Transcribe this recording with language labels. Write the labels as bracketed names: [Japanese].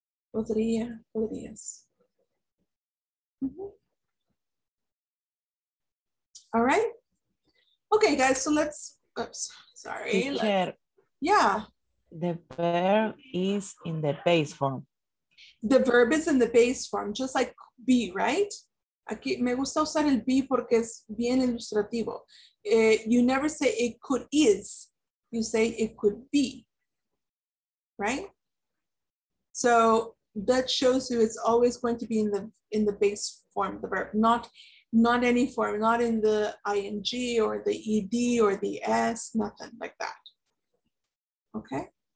[Spanish] Podría, podrías. Mm-hmm. [English] All right. Okay, guys, so let's, oops. Sorry. Teacher, yeah. The verb is in the base form. The verb is in the base form, just like be, right? [Spanish] Aquí me gusta usar el [English] be [Spanish] porque es bien ilustrativo. [English] You never say it could is. You say it could be. right? So that shows you it's always going to be in the base form, the verb, not any form, not in the ing or the ed or the s, nothing like that. Okay?